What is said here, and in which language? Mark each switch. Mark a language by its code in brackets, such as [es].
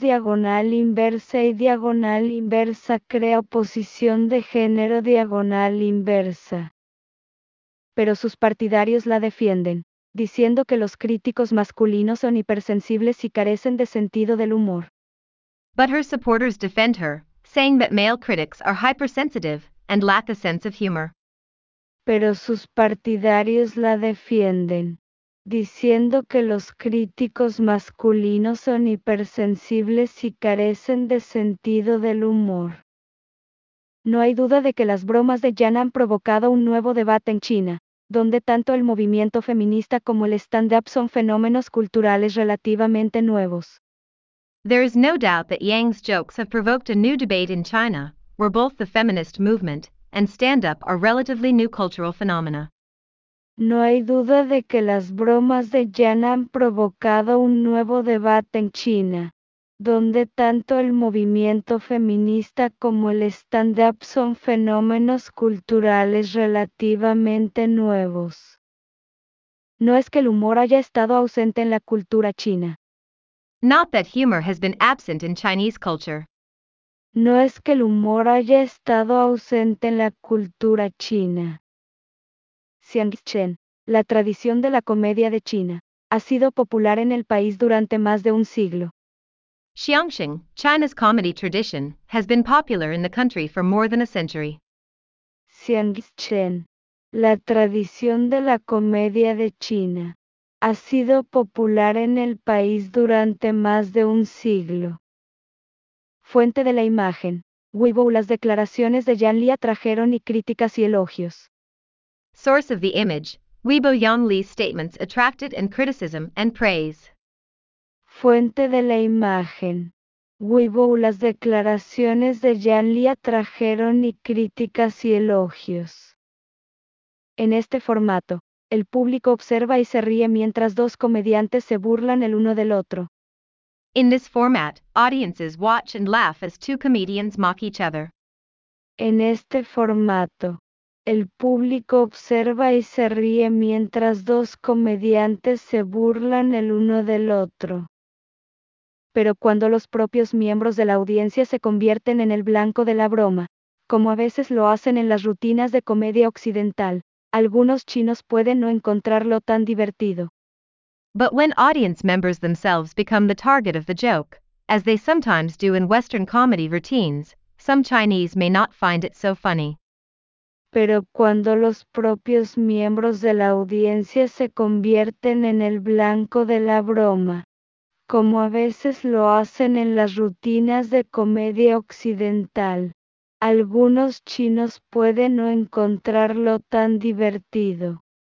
[es] Diagonal Inversa y Diagonal Inversa crea oposición de género. Diagonal Inversa. Pero sus partidarios la defienden, diciendo que los críticos masculinos son hipersensibles y carecen de sentido del humor. [en] But her supporters defend her, saying that male critics are hypersensitive and lack a sense of humor. [es] Pero sus partidarios la defienden, diciendo que los críticos masculinos son hipersensibles y carecen de sentido del humor. No hay duda de que las bromas de Yan han provocado un nuevo debate en China, donde tanto el movimiento feminista como el stand-up son fenómenos culturales relativamente nuevos. [en] There is no doubt that Yang's jokes have provoked a new debate in China, where both the feminist movement and stand-up are relatively new cultural phenomena. [es] No hay duda de que las bromas de Yan han provocado un nuevo debate en China, donde tanto el movimiento feminista como el stand-up son fenómenos culturales relativamente nuevos. No es que el humor haya estado ausente en la cultura china. [en] Not that humor has been absent in Chinese culture. [es] No es que el humor haya estado ausente en la cultura china. Xiangchen, la tradición de la comedia de China, ha sido popular en el país durante más de un siglo. [en] Xiangcheng, China's comedy tradition, has been popular in the country for more than a century. [es] Xiangcheng, la tradición de la comedia de China, ha sido popular en el país durante más de un siglo. Fuente de la imagen, Weibo. Las declaraciones de Yan Li atrajeron y críticas y elogios. [en] Source of the image, Weibo. Yan Li's statements attracted and criticism and praise. [es] Fuente de la imagen, Weibo. Las declaraciones de Yan Li atrajeron y críticas y elogios. En este formato, el público observa y se ríe mientras dos comediantes se burlan el uno del otro. [en] In this format, audiences watch and laugh as two comedians mock each other. [es] En este formato, el público observa y se ríe mientras dos comediantes se burlan el uno del otro. Pero cuando los propios miembros de la audiencia se convierten en el blanco de la broma, como a veces lo hacen en las rutinas de comedia occidental, algunos chinos pueden no encontrarlo tan divertido. [en] But when audience members themselves become the target of the joke, as they sometimes do in Western comedy routines, some Chinese may not find it so funny. [es] Pero cuando los propios miembros de la audiencia se convierten en el blanco de la broma, como a veces lo hacen en las rutinas de comedia occidental, algunos chinos pueden no encontrarlo tan divertido.